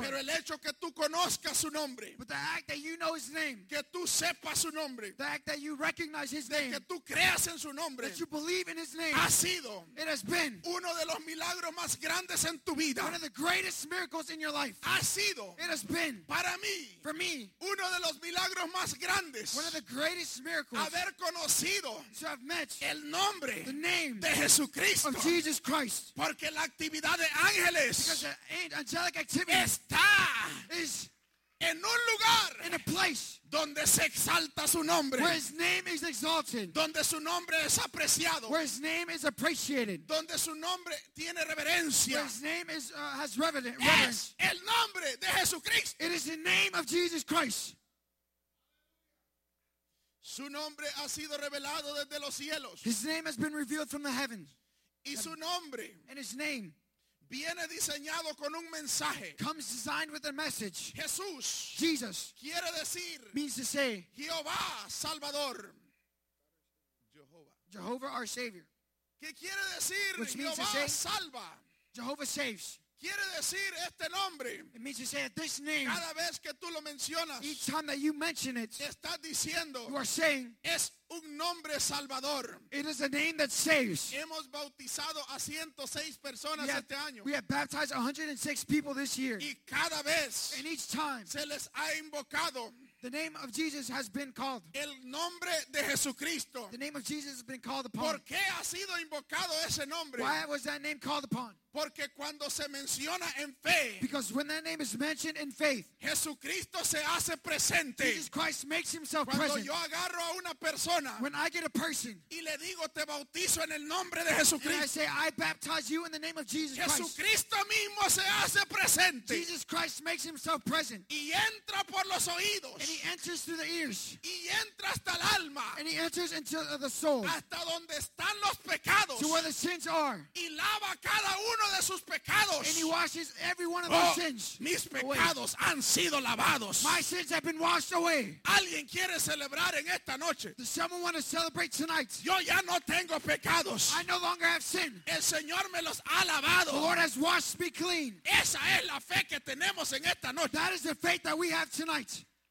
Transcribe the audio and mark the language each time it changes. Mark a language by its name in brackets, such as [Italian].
[Spanish] pero el hecho que tú conozcas su nombre, [English] but the act that you know his name, [Spanish] que tú sepas su nombre, [English] the act that you recognize his name, [Spanish] que tú creas en su nombre, [English] that you believe in his name, [Spanish] ha sido, [English] it has been [Spanish] uno de los milagros más grandes en tu vida. [English] One of the greatest miracles in your life. [Spanish] Ha sido, [English] it has been [Spanish] para mí, [English] for me, [Spanish] uno de los milagros más grandes. [English] One of the greatest miracles. [Spanish] Haber conocido, [English] to have met [Spanish] el nombre, [English] the name [Spanish] de Jesucristo, [English] of Jesus Christ. [Spanish] Porque la actividad de ángeles, [English] because the angelic activity [Spanish] está, [English] is [Spanish] en un lugar, [English] in a place [Spanish] donde se exalta su nombre, [English] where his name is exalted, [Spanish] donde su nombre es apreciado, [English] where his name is appreciated, [Spanish] donde su nombre tiene reverencia, [English] where his name is has reverence. [Spanish] Es el nombre de Jesucristo. [English] It is the name of Jesus Christ. [Spanish] Su nombre ha sido revelado desde los cielos. [English] His name has been revealed from the heavens. [Spanish] Y su nombre, [English] and his name, [Spanish] viene diseñado con un mensaje. [English] Comes designed with a message. [Spanish] Jesús. [English] Jesus. [Spanish] Quiere decir. [English] Means to say. [Spanish] Jehová Salvador. [English] Jehovah. Jehovah our Savior. [Spanish] ¿Qué quiere decir? [English] Which means Jehová to say. [Spanish] Salva. [English] Jehovah saves. [Spanish] Quiere decir este nombre. [English] It means to say that this name. [Spanish] Cada vez que tú lo mencionas. [English] Each time that you mention it. [Spanish] Estás diciendo. [English] You are saying. [Spanish] Es un nombre salvador. [English] It is a name that saves. [Spanish] Hemos bautizado a 106 personas este año. [English] We have baptized 106 people this year. [Spanish] Y cada vez. [English] And each time. [Spanish] Se les ha invocado. [English] The name of Jesus has been called. [Spanish] El nombre de Jesucristo. [English] The name of Jesus has been called upon. [Spanish] ¿Por qué ha sido invocado ese nombre? [English] Why was that name called upon? [Spanish] Porque cuando se menciona en fe. [English] Because when that name is mentioned in faith. [Spanish] Jesucristo se hace presente. [English] Jesus Christ makes himself [Spanish] cuando [English] present. [Spanish] Cuando yo agarro a una persona. [English] When I get a person. [Spanish] Y le digo te bautizo en el nombre de Jesucristo. [English] And I say I baptize you in the name of Jesus [Spanish] Jesucristo [English] Christ. [Spanish] Jesucristo mismo se hace presente. [English] Jesus Christ makes himself present. [Spanish] Y entra por los oídos. [English] And he enters through the ears. [Spanish] Y entra hasta el alma. [English] And he enters into the soul. [Spanish] Hasta donde están los pecados. [English] To where the sins are. [Spanish] Y lava cada uno. [English] And he washes every one of those sins. [Spanish] Mis pecados han sido lavados. [English] My sins have been washed away. [Spanish] ¿Alguien quiere celebrar en esta noche? [English] Does someone want to celebrate tonight? [Spanish] Yo ya no tengo pecados. [English] I no longer have sin. [Spanish] El Señor me los ha lavado. [English] The Lord has washed me clean. [Spanish] Esa es la fe que tenemos en esta noche. [English] That is the faith that we have tonight.